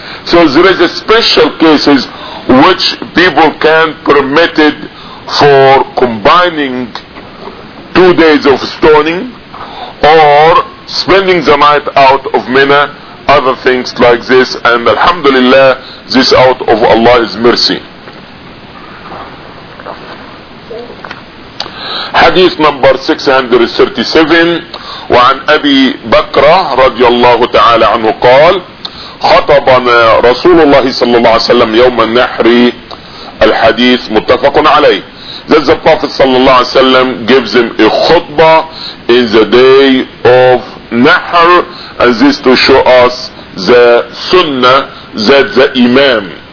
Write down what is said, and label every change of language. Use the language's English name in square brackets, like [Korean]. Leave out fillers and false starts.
[English] So there is a special cases which people can permitted for combining 2 days of stoning, or spending the night out of Mina, other things like this, and alhamdulillah, this out of Allah's mercy. Hadith number 637, [Arabic] وعن أبي بكر رضي الله تعالى عنه قال خطبنا رسول الله صلى الله عليه وسلم يوم النحر. الحديث متفق عليه. [English] That the Prophet صلى الله عليه وسلم gives him a khutbah in the day of Nahr, and this to show us the sunnah that the imam